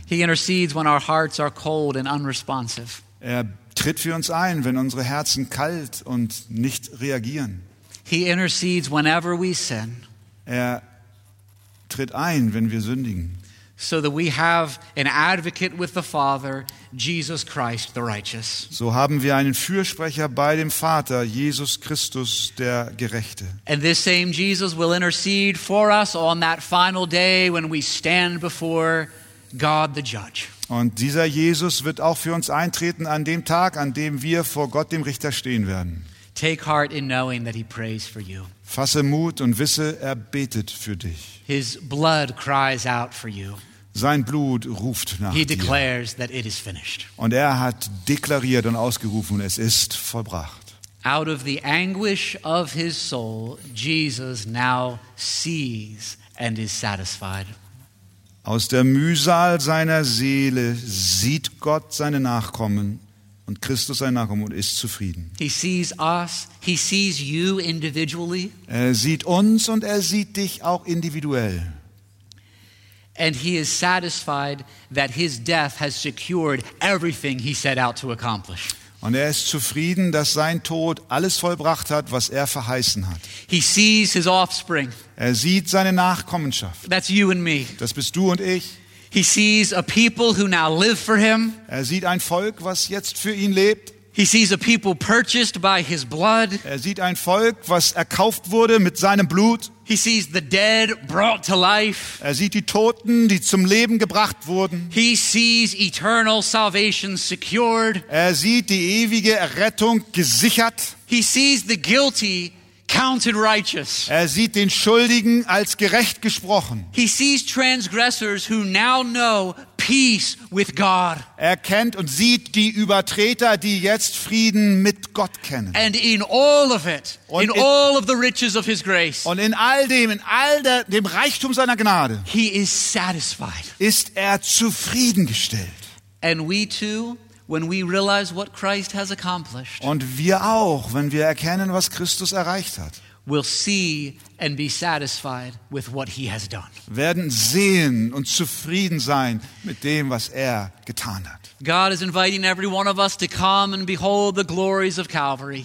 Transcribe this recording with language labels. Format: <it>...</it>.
<en>He intercedes when our hearts are cold and unresponsive.</en> <de>Er tritt für uns ein, wenn unsere Herzen kalt und nicht reagieren.</de> <en>He intercedes whenever we sin.</en> <de>Er tritt ein, wenn wir sündigen.</de> <en>So that we have an advocate with the Father, Jesus Christ the righteous.</en> <de>So haben wir einen Fürsprecher bei dem Vater, Jesus Christus der Gerechte.</de> <en>And this same Jesus will intercede for us on that final day when we stand before God the Judge.</en> <de>Und dieser Jesus wird auch für uns eintreten an dem Tag, an dem wir vor Gott dem Richter stehen werden.</de> <en>Take heart in knowing that he prays for you.</en> <de>Fasse Mut und wisse, er betet für dich.</de> <en>His blood cries out for you.</en> <de>Sein Blut ruft nach dir.</de> <en>He declares that it is finished.</en> <de>Und er hat deklariert und ausgerufen, es ist vollbracht.</de> <en>Out of the anguish of his soul, Jesus now sees and is satisfied.</en> <de>Aus der Mühsal seiner Seele sieht Gott seine Nachkommen und Christus sein Nachkommen und ist zufrieden.</de> <en>He sees us, he sees you individually.</en> <de>Er sieht uns und er sieht dich auch individuell.</de> <en>And he is satisfied that his death has secured everything he set out to accomplish.</en> <de>Und er ist zufrieden, dass sein Tod alles vollbracht hat, was er verheißen hat.</de> <en>He sees his offspring.</en> <de>Er sieht seine Nachkommenschaft.</de> <en>That's you and me.</en> <de>Das bist du und ich.</de> <en>He sees a people who now live for him.</en> <de>Er sieht ein Volk, was jetzt für ihn lebt.</de> <en>He sees a people purchased by his blood.</en> <de>Er sieht ein Volk, was erkauft wurde mit seinem Blut.</de> <en>He sees the dead brought to life.</en> <de>Er sieht die Toten, die zum Leben gebracht wurden.</de> <en>He sees eternal salvation secured.</en> <de>Er sieht die ewige Errettung gesichert.</de> <en>He sees the guilty counted righteous.</en> <de>Er sieht den Schuldigen als gerecht gesprochen.</de> <en>He sees transgressors who now know peace with God.</en> <de>Er kennt und sieht die Übertreter, die jetzt Frieden mit Gott kennen.</de> <en>And in all of it, in all of the riches of his grace.</en> <de>Und in all dem, dem Reichtum seiner Gnade.</de> <en>He is satisfied.</en> <de>Ist zufriedengestellt.</de> <en>And we too, when we realize what Christ has accomplished.</en> <de>Und wir auch, wenn wir erkennen, was Christus erreicht hat.</de> <en>We'll see and be satisfied with what he has done.</en> <de>Werden sehen und zufrieden sein mit dem, was getan hat.</de> <en>God is inviting every one of us to come and behold the glories of Calvary.</en>